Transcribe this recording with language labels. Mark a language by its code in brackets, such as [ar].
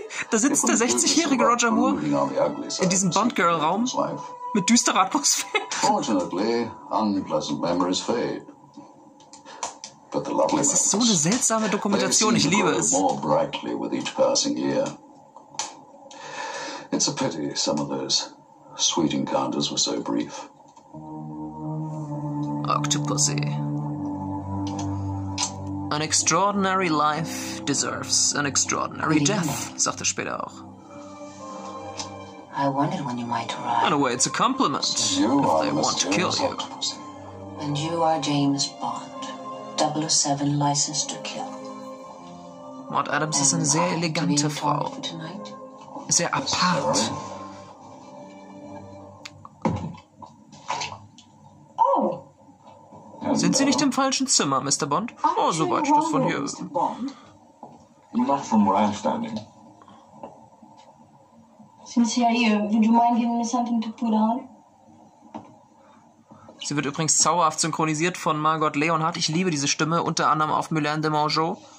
[de] Da sitzt der 60-jährige Roger Moore in diesem Bond-Girl-Raum mit düsterer Atmosphäre. [en] Fortunately, unpleasant memories fade. But the lovely [de] ones. Das ist so eine seltsame Dokumentation, ich liebe es. [en] More brightly with each passing year. It's a pity some of those sweet encounters were so brief. Octopussy. An extraordinary life deserves an extraordinary death, [de] sagt er später auch. [en] I wondered when you might arrive. In a way, it's a compliment if they want to kill you. And you are James Bond, 007 licensed to kill. [de] Maud Adams ist eine sehr elegante Frau. Sehr apart. Sind Sie nicht im falschen Zimmer, Mr. Bond? Oh, soweit ich das von hier... [en] You're not from where I'm standing. Sincerely, would you mind giving me something to put on? [de] Sie wird übrigens zauberhaft synchronisiert von Margot Leonhardt. Ich liebe diese Stimme, unter anderem auf Mylène de Mongeau.